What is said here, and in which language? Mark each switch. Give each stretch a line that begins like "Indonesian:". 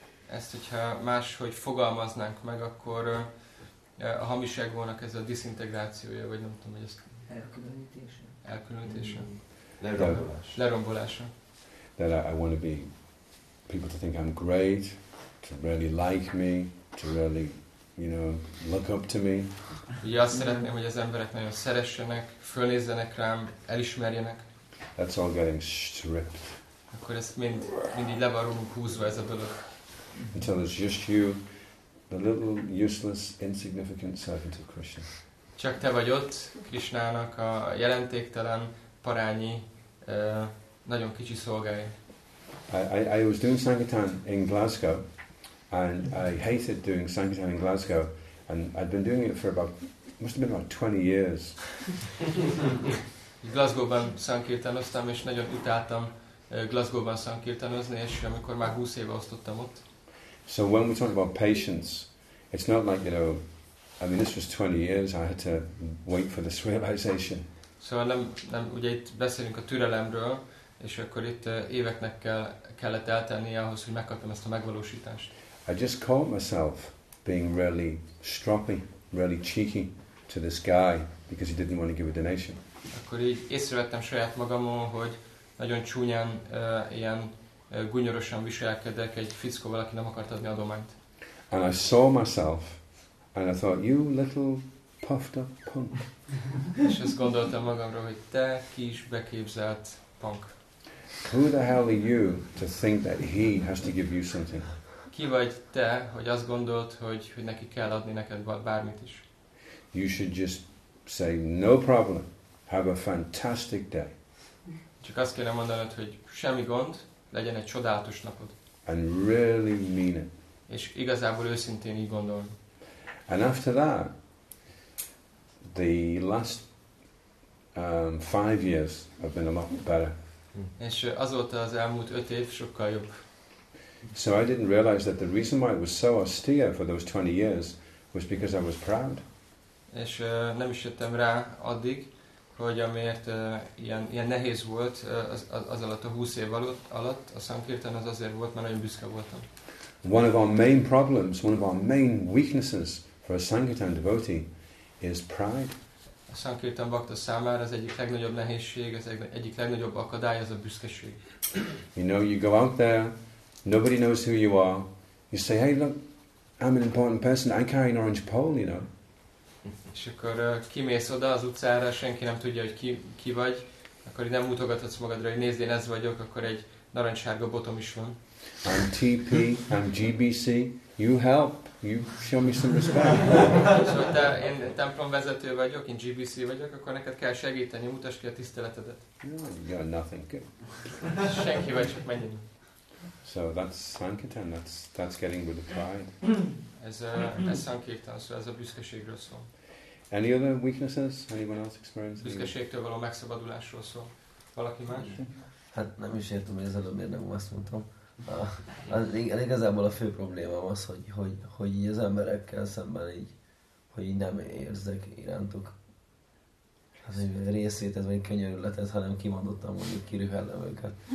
Hungarian: Ezt, hogyha máshogy fogalmaznánk meg, akkor a hamis egónak ez a diszintegrációja, vagy nem tudom, hogy ezt... Elkülönítése? Lerombolása.
English: That I want to be people to think I'm great, to really like me, to really, you know, look up to me.
Hungarian: Ugye azt szeretném, hogy az emberek nagyon szeressenek, fölnézzenek rám, elismerjenek.
English: That's all getting stripped.
Hungarian: Akkor ezt mind így levarulunk húzva ez a dolog.
English: Until it's just you, the little useless, insignificant servant of Krishna.
Hungarian: Csak te vagy ott, Krishnának a jelentéktelen, parányi, nagyon kicsi szolgája.
English: I was doing Sankirtan in Glasgow, and I hated doing Sankirtan in Glasgow, and I'd been doing it for about 20 years.
Hungarian: Glasgow-ban szankirtanoztam, és nagyon utáltam Glasgow-ban szankirtanozni, és amikor már 20 éve osztottam ott.
English: So when we talk about patience, it's not like, you know, I mean, this was 20 years, I had to wait for this realization.
Hungarian: So nem ugye itt beszélünk a türelemről, és akkor itt éveknek kellett eltenni ahhoz, hogy megkapjam ezt a megvalósítást.
English: I just caught myself being really stroppy, really cheeky to this guy because he didn't want to give a donation.
Hungarian: Akkor így észrevettem saját magamon, hogy nagyon csúnyán ilyen gúnyorosan viselkedek egy fickóval, aki nem akart adni adományt.
English: And I saw myself, and I thought, you little puffed up punk.
Hungarian: És azt gondoltam magamra, hogy te kis beképzelt punk.
English: Who the hell are you to think that he has to give you something?
Hungarian: Ki vagy te, hogy azt gondolt, hogy neki kell adni neked bármit is?
English: You should just say, no problem, have a fantastic day.
Hungarian: Csak azt kéne mondanod, hogy semmi gond, legyen egy csodálatos napod.
English: and really mean it.
Hungarian: És igazából őszintén így gondolni.
English: And after that, the last 5 years have been a lot better.
Hungarian: És azóta az elmúlt 5 év sokkal jobb.
English: So I didn't realize that the reason why it was so austere for those 20 years was because I was proud.
Hungarian: És nem is jöttem rá addig, hogy amiért ilyen nehéz volt az alatt a 20 év alatt a Sankirtan, az azért volt, mert nagyon büszke voltam.
English: One of our main problems, one of our main weaknesses for a Sankirtan devotee is pride.
Hungarian: A Sankirtan bhakta számára az egyik legnagyobb nehézség, az egyik legnagyobb akadály az a büszkeség.
English: You know, you go out there, nobody knows who you are. You say, hey, look, I'm an important person. I carry an orange pole, you know.
Hungarian: És akkor kimész oda az utcára, senki nem tudja, hogy ki vagy, akkor nem mutogathatsz magadra, hogy nézd, én ez vagyok, akkor egy narancssárga botom is van.
English: I'm TP, I'm GBC, you help, you show me some respect.
Hungarian: So, de én templom vezető vagyok, én GBC vagyok, akkor neked kell segíteni, mutasd ki a tiszteletedet.
English: You got nothing.
Hungarian: Senki vagy, csak menjünk.
English: So that's Sankirtan, that's getting rid of pride.
Hungarian: Ez Sankirtan, szóval ez a büszkeségről szól.
English: Any other weaknesses? Anyone else experiencing?
Hungarian: Büszkeségtől való megszabadulásról szól. Valaki más? Hát nem is értem, hogy ez előbb miért nem azt mondtam. Igazából a fő problémám az, hogy így az emberekkel szemben így, hogy így nem érzek irántuk az egy részét, ez vagy könyörületet, hanem kimondottam, hogy kirühellem őket.